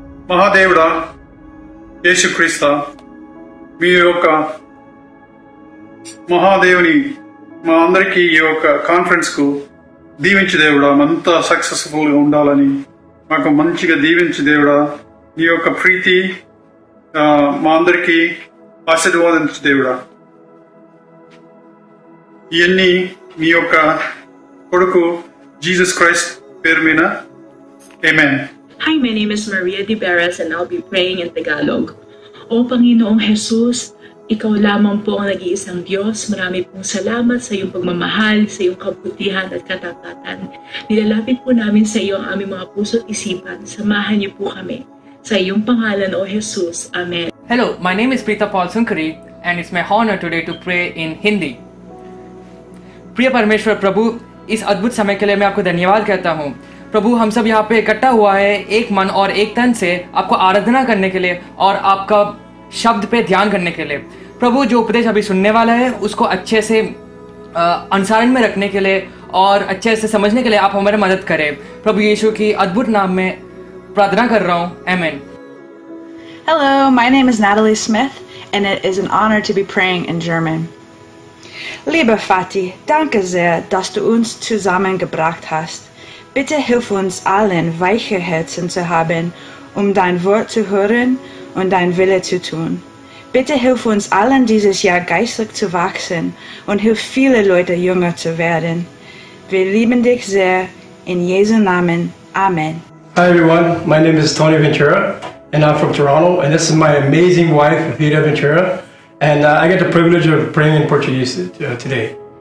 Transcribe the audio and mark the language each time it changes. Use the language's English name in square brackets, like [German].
[Telugu] మహాదేవుడా యేసుక్రీస్త మీ యొక్క మహాదేవుని మా అందరికీ ఈ యొక్క కాన్ఫరెన్స్కు దీవించు దేవుడా మంతా సక్సెస్ఫుల్గా ఉండాలని మాకు మంచిగా దీవించు దేవుడా నీ యొక్క ప్రీతి మా అందరికీ ఆశీర్వాదించు దేవుడా ఇవన్నీ మీ యొక్క కొడుకు జీసస్ క్రైస్ట్ పేరు మీద ఆమేన్ [English] Hi, my name is Maria De Beres and I'll be praying in Tagalog. [Filipino] O Panginoong Jesus, Ikaw lamang po ang nag-iisang Diyos. Marami pong salamat sa iyong pagmamahal, sa iyong kabutihan at katapatan. Nilalapit po namin sa iyo ang aming mga puso at isipan. Samahan niyo po kami. Sa iyong pangalan, O Jesus. Amen. [English] Hello, my name is Preeta Paul Sunkari and it's my honor today to pray in Hindi. [Hindi] Priya Parameshwar Prabhu, is adbhut samay ke liye main aapko dhanyawad kehta hoon. प्रभु हम सब यहाँ पे इकट्ठा हुआ है एक मन और एक तन से आपको आराधना करने के लिए और आपका शब्द पे ध्यान करने के लिए प्रभु जो उपदेश अभी सुनने वाला है उसको अच्छे से अनुसरण में रखने के लिए और अच्छे से समझने के लिए आप हमारी मदद करें प्रभु यीशु की अद्भुत नाम में प्रार्थना कर रहा हूँ आमेन [English] hello my name is Natalie Smith and it is an honour to be praying in German [German] लिबर फाती डैंके ज़ेर दस टू उन्स ज़ुज़ामेन गेब्रैक्ट हस्ट Bitte hilf uns allen, weiche Herzen zu haben dein Wort zu hören und dein Wille zu tun. Bitte hilf uns allen dieses Jahr geistlich zu wachsen und hilf viele Leute jünger zu werden. Wir lieben dich sehr. In Jesu Namen. Amen. [English] Hi everyone, my name is Tony Ventura and I'm from Toronto and this is my amazing wife, Vida Ventura. And I get the privilege of praying in Portuguese today.